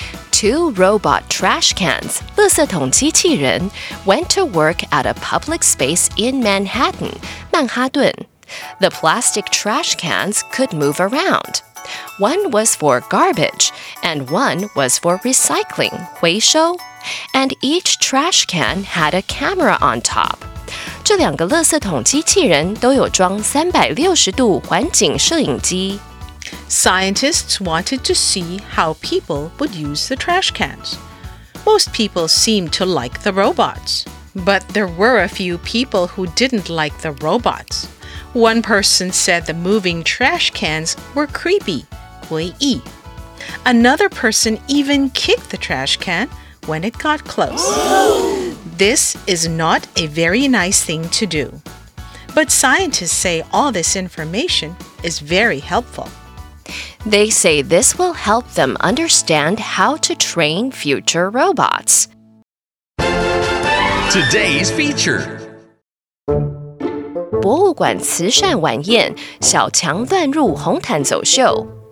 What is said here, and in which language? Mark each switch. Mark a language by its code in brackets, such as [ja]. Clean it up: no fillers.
[en] Two robot trash cans, 垃圾桶机器人, went to work at a public space in Manhattan, 曼哈顿. The plastic trash cans could move around. One was for garbage, and one was for recycling, 回收. And each trash can had a camera on top. [zh] 这两个垃圾桶机器人都有装360度环境摄影机。 [en] Scientists wanted to see how people would use the trash cans. Most people seemed to like the robots. But there were a few people who didn't like the robots. One person said the moving trash cans were creepy, 诡异。 Another person even kicked the trash can when it got close. This is not a very nice thing to do. But scientists say all this information is very helpful. They say this will help them understand how to train future robots. Today's feature. [zh] 博物馆慈善晚宴，小强乱入红毯走秀。